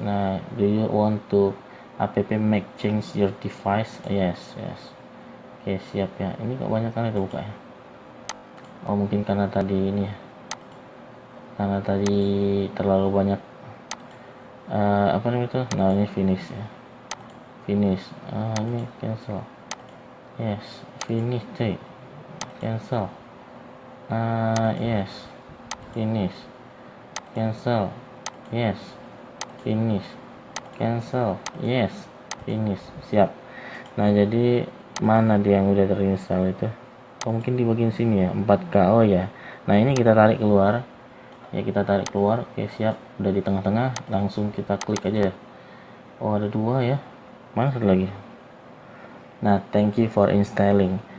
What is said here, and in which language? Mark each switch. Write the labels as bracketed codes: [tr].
[en] Nah, do you want to app make change your device? [id] Yes, yes. Oke, siap ya. Ini kok banyak kan kebuka ya? Oh, mungkin karena tadi ini ya. Karena tadi terlalu banyak apa namanya itu? Nah, ini finish ya. Finish. [en] Ini cancel. Yes, finish cuy. Cancel. Yes. Finish. Cancel. Yes, finish, cancel, yes, finish, siap. [id] Nah, jadi mana dia yang udah terinstall itu? Oh, mungkin di bagian sini ya, 4K, oh ya. Nah, ini kita tarik keluar. Ya, kita tarik keluar, oke, siap. Udah di tengah-tengah, langsung kita klik aja ya. Oh, ada dua ya, mana satu lagi? [en] Nah, thank you for installing.